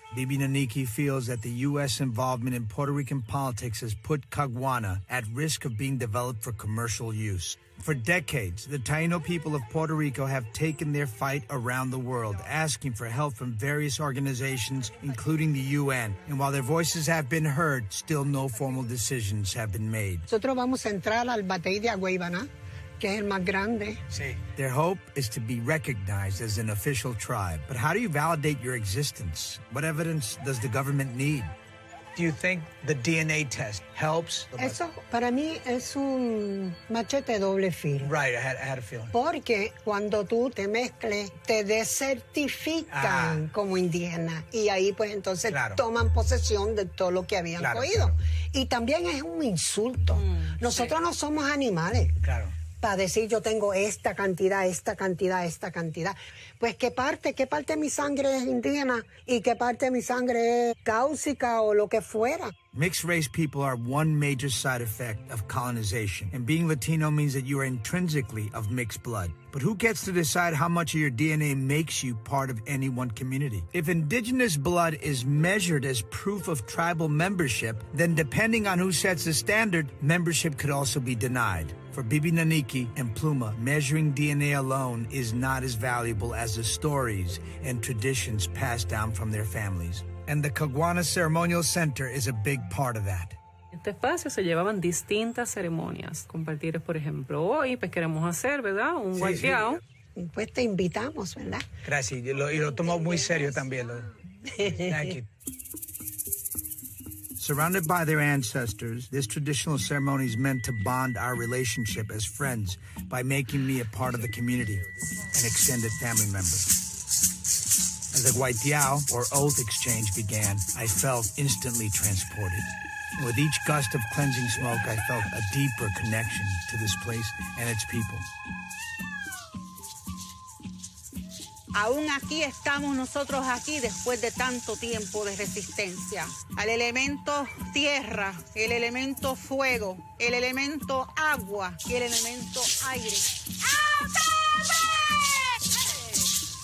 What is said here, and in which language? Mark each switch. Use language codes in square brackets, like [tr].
[en] Bibi Naniki feels that the U.S. involvement in Puerto Rican politics has put Caguana at risk of being developed for commercial use. For decades, the Taíno people of Puerto Rico have taken their fight around the world, asking for help from various organizations, including the UN. And while their voices have been heard, still no formal decisions have been made. [es] Nosotros vamos a entrar al Batey de Aguaybana, que es el más grande. Sí. [en] Their hope is to be recognized as an official tribe. But how do you validate your existence? What evidence does the government need? Do you think the DNA test helps? [es] Eso para mí es un machete doble filo. [en] Right, I had a feeling. [es] Porque cuando tú te mezcles, te desertifican como indígena. Y ahí pues entonces toman posesión de todo lo que habían cogido. Claro. Y también es un insulto. Nosotros no somos animales. Claro. Para decir yo tengo esta cantidad, esta cantidad, esta cantidad. Pues qué parte de mi sangre es indígena y qué parte de mi sangre es cáusica o lo que fuera. [en] Mixed race people are one major side effect of colonization. And being Latino means that you are intrinsically of mixed blood. But who gets to decide how much of your DNA makes you part of any one community? If indigenous blood is measured as proof of tribal membership, then depending on who sets the standard, membership could also be denied. For Bibi Naniki and Pluma, measuring DNA alone is not as valuable as the stories and traditions passed down from their families. And the Caguana Ceremonial Center is a big part of that. [es] En este espacio se llevaban distintas ceremonias. Compartir, por ejemplo, hoy, pues queremos hacer, ¿verdad? Un guayqueao. Sí. Pues te invitamos, ¿verdad? Gracias. Y lo tomo muy serio también. [en] Thank you. Surrounded by their ancestors, this traditional ceremony is meant to bond our relationship as friends by making me a part of the community, an extended family member. As the guaitiao, or oath exchange, began, I felt instantly transported. With each gust of cleansing smoke, I felt a deeper connection to this place and its people. [es] Aún aquí estamos nosotros aquí después de tanto tiempo de resistencia. Al elemento tierra, el elemento fuego, el elemento agua y el elemento aire.